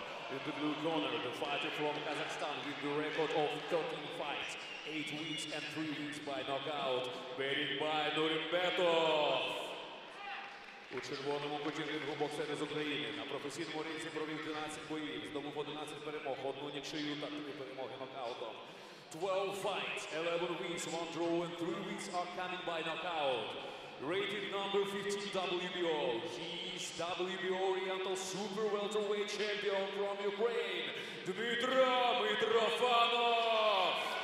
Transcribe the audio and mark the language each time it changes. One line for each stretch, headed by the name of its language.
English: In the blue corner, the fighter from Kazakhstan with the record of 13 fights, 8 wins and 3 wins by knockout, Berikbay Nurymbetov.
Ukrainian: У червоному поєдинку боксера з України на професійному ринзі провів 12 боїв, з тому 11 перемог, одну нічию та 3 перемоги нокаутом.
English: 12 fights, 11 wins, 1 draw, and 3 wins are coming by knockout. Rated number 15 WBO, he's WBO Oriental Super Welterweight Champion from Ukraine, Dmitriy Mitrofanov!